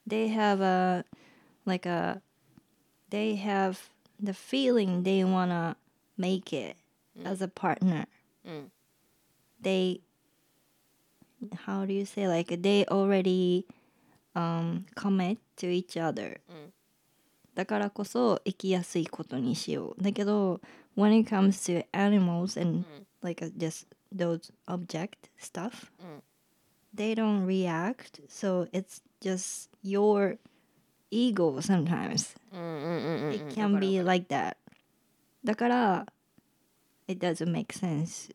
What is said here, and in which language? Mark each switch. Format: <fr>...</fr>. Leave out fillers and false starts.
<en>They have a, like a, they have the feeling they wanna make it as a partner. They, how do you say, like, they already, commit to each other.</en> <ja>だからこそ生きやすいことにしよう。だけど、</ja> <en>when it comes to animals and, like, just those object stuff, they don't react, so it's,Just your ego sometimes. It can be like that.</en> <ja>だから</ja> <en>it doesn't make sense.</en>